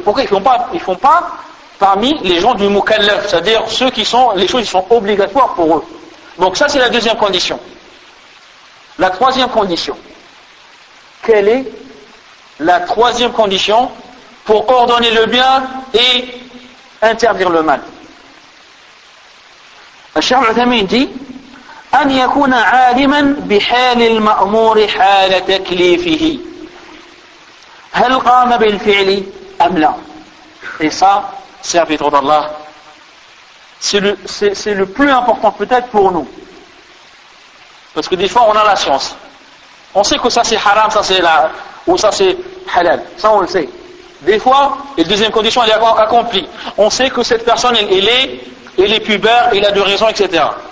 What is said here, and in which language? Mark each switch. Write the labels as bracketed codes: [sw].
[fr] Pourquoi ils ne font pas, ils font pas parmi les gens du mukallaf, c'est-à-dire ceux qui sont, les choses qui sont obligatoires pour eux. Donc ça c'est la deuxième condition. La troisième condition. Quelle est la troisième condition pour ordonner le bien et interdire le mal? Cheikh Al-Uthaymeen dit [ar] أن يكون عالما بحال المأمور حال تكليفه هل قام بالفعل أم لا؟ [fr] Et ça, serviteur d'Allah, c'est le plus important peut-être pour nous. Parce que des fois on a la science. On sait que ça c'est haram, ça c'est la, ou ça c'est halal. Ça on le sait. Des fois, et deuxième condition, elle est accomplie. On sait que cette personne, elle est pubère, elle a deux raisons, etc.